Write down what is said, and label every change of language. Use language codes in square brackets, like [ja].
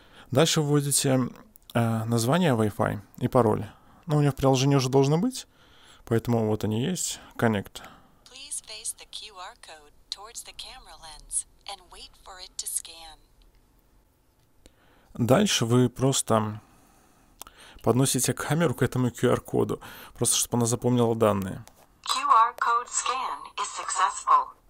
[ru] Дальше вводите название Wi-Fi и пароль. Но у меня в приложении уже должно быть. Поэтому вот они есть. Connect. [en] Please face the QR code towards the camera lens and wait for it to scan. [ru] Дальше вы просто подносите камеру к этому QR-коду, просто чтобы она запомнила данные. [en] QR-code scan is successful.